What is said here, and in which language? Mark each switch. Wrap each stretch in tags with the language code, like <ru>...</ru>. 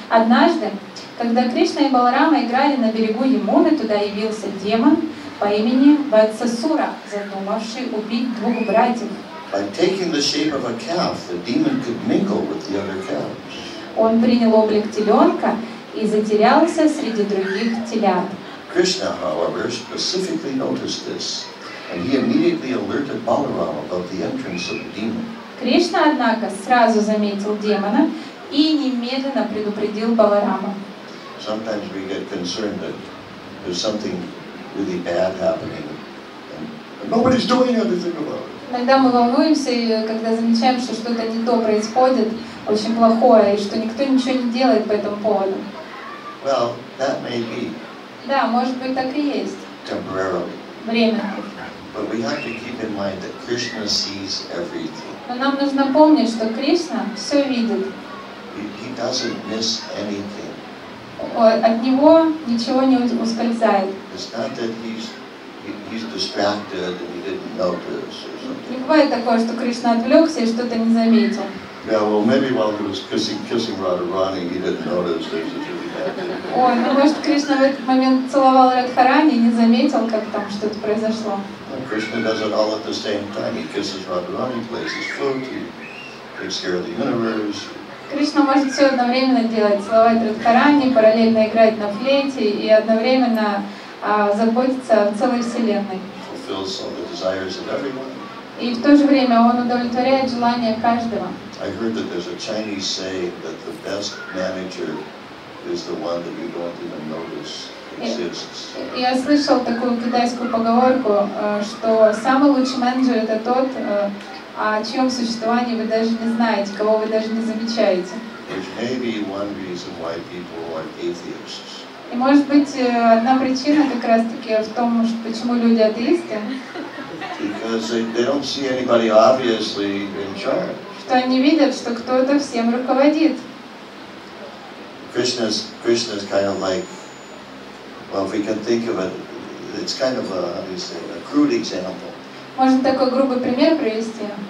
<ru>Однажды, когда Кришна и Баларама играли на берегу Ямуны, туда явился демон по имени Ватсасура, задумавший убить двух братьев.</ru> <en>By taking the shape of a calf, the demon could mingle with the other calves.</en> <ru>Он принял облик теленка и затерялся среди других телят.</ru> <en>Krishna, however, specifically noticed this, and he immediately alerted Balarama about the entrance of the demon.</en> <ru>Кришна, однако, сразу заметил демона и немедленно предупредил Баларама.</ru> <en>Sometimes we get concerned that there's something really bad happening, and nobody's doing anything about it.</en> <ru>Иногда мы волнуемся, когда замечаем, что что-то не то происходит, очень плохое, и что никто ничего не делает по этому поводу.</ru> <en>Well, that may be.</en> <ru>Да, может быть, так и есть.</ru> <en>Temporarily.</en> <ru>Временно.</ru> <en>But we have to keep in mind that Krishna sees everything.</en> <ru>Но нам нужно помнить, что Кришна все видит.</ru> <en>He doesn't miss anything.</en> <ru>От него ничего не ускользает.</ru> <en>It's not that he's distracted and he didn't notice.</en> <ru>Не бывает такое, что Кришна отвлекся и что-то не заметил.</ru> <en>Yeah, well, maybe while he was kissing Radharani, he didn't notice this. Ой,</en> <ru>ну может Кришна в этот момент целовал Радхарани и не заметил, как там что-то произошло.</ru> <en>Krishna does it all at the same time. He kisses Radharani, plays his flute, he takes care of the universe.</en> <ru>Кришна может все одновременно делать, целовать Радхарани, параллельно играть на флейте и одновременно заботиться о целой вселенной.</ru> <en>Fulfills all the desires of everyone.</en> <ru>И в то же время он удовлетворяет желания каждого.</ru> <en>I heard that there's a Chinese saying that the best manager is the one that you don't even notice exists.</en> <ru>Я слышал такую китайскую поговорку, что самый лучший менеджер это тот, о чьем существовании вы даже не знаете, кого вы даже не замечаете.</ru> <en>Which may be one reason why people are atheists.</en> <ru>И может быть одна причина как раз таки в том, почему люди атеисты.</ru> <en>Because they don't see anybody obviously in charge.</en> <ru>Что они видят, что кто-то всем руководит.</ru> <en>Krishna's kind of like, well, if we can think of it, it's kind of a crude example.</en> <ru>Можно такой грубый пример привести?</ru>